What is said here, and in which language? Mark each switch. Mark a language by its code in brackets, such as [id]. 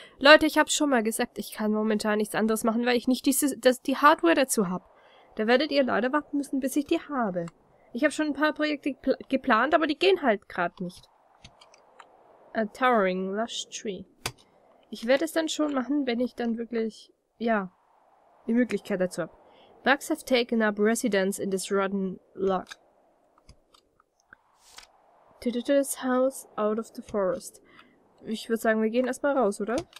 [de] Leute, ich habe schon mal gesagt, ich kann momentan nichts anderes machen, weil ich nicht die Hardware dazu habe. Da werdet ihr leider warten müssen, bis ich die habe. Ich habe schon ein paar Projekte geplant, aber die gehen halt gerade nicht. [en] A Towering Lush Tree. [de] Ich werde es dann schon machen, wenn ich dann wirklich, ja, die Möglichkeit dazu habe. [en] Bugs have taken up residence in this rotten log. This house out of the forest. [de] Ich würde sagen, wir gehen erstmal raus, oder?